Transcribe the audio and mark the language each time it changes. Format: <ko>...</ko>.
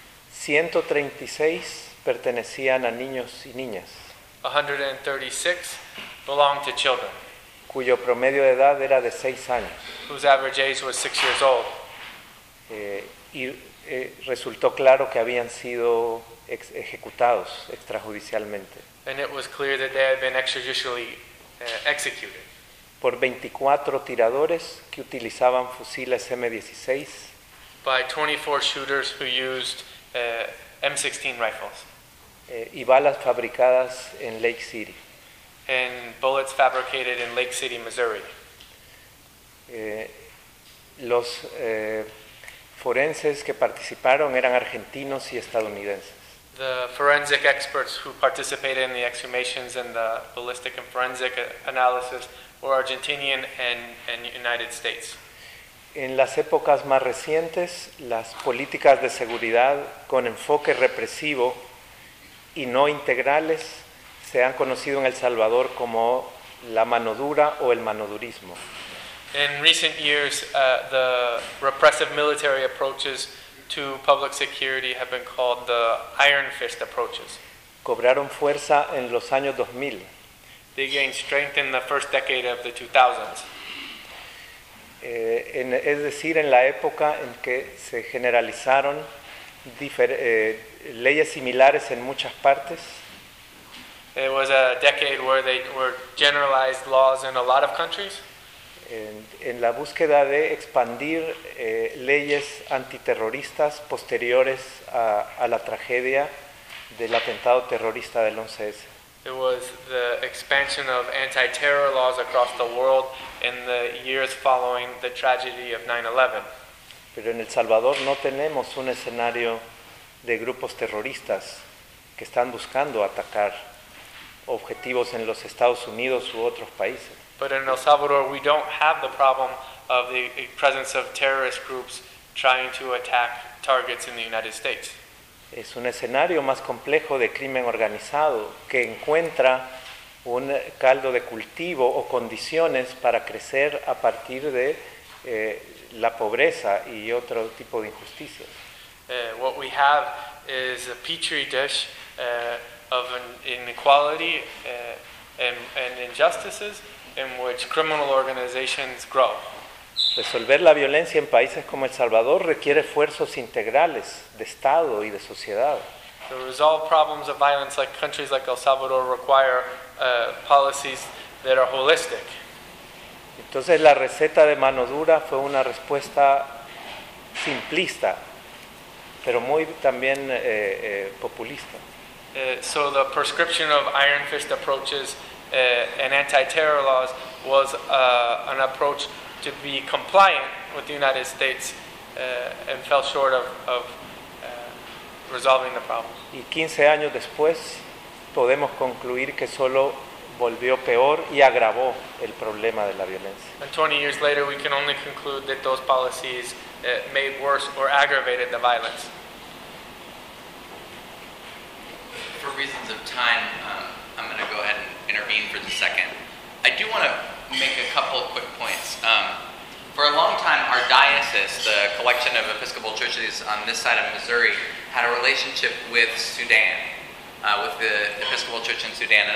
<es>136 pertenecían a niños y niñas.</es> <en>136 belonged to children.</en> <es>Cuyo promedio de edad era de 6 años.</es> <en>Whose average age was 6 years old.</en> <es>Y resultó claro que habían sido ejecutados extrajudicialmente.</es> <en>And it was clear that they had been extrajudicially executed.</en> <es>Por 24 tiradores que utilizaban fusiles M16.</es> <en>By 24 shooters who used M16 rifles.</en> <es>Y balas fabricadas en Lake City.</es> <en>And bullets fabricated in Lake City, Missouri.</en> <es>Forenses que participaron eran argentinos y estadounidenses.</es> <en>The forensic experts who participated in the exhumations and the ballistic and forensic analysis were Argentinian and United States.</en> <es>En las épocas más recientes, las políticas de seguridad con enfoque represivo y no integrales se han conocido en El Salvador como la mano dura o el manodurismo.</es> <en>In recent years, the repressive military approaches to public security have been called the iron fist approaches.</en> <es>Cobraron fuerza en los años 2000.</es> <en>They gained strength in the first decade of the 2000s.</en> <es>Es decir, en la época en que se generalizaron leyes similares en muchas partes.</es> <en>It was a decade where they were generalized laws in a lot of countries.</en> <es>En la búsqueda de expandir leyes antiterroristas posteriores a la tragedia del atentado terrorista del 11S.</es> <en>It was the expansion of anti-terror laws across the world in the years following the tragedy of 9/11.</en> <es>Pero en El Salvador no tenemos un escenario de grupos terroristas que están buscando atacar objetivos en los Estados Unidos u otros países.</es> <en>But in El Salvador, we don't have the problem of the presence of terrorist groups trying to attack targets in the United States.</en> <es>Es un escenario más complejo de crimen organizado que encuentra un caldo de cultivo o condiciones para crecer a partir de la pobreza y otro tipo de injusticias.</es> <en>What we have is a petri dish of an inequality and injustices in which criminal organizations grow.</en> <es>Resolver la violencia en países como El Salvador requiere esfuerzos integrales de Estado y de sociedad.</es> <en>To resolve problems of violence like countries like El Salvador require policies that are holistic.</en> <es>Entonces la receta de mano dura fue una respuesta simplista, pero muy también populista.</es> <en>So the prescription of iron fist approaches and anti-terror laws was an approach to be compliant with the United States and fell short of resolving the problem.</en> <es>Y 15 años después podemos concluir que solo volvió peor y agravó el problema de la violencia.</es> <en>And 20 years later we can only conclude that those policies made worse or aggravated the violence. For reasons of time, I'm going to go ahead and intervene for the second. I do want to make a couple of quick points. For a long time, our diocese, the collection of Episcopal churches on this side of Missouri, had a relationship with Sudan, with the Episcopal Church in Sudan.</en>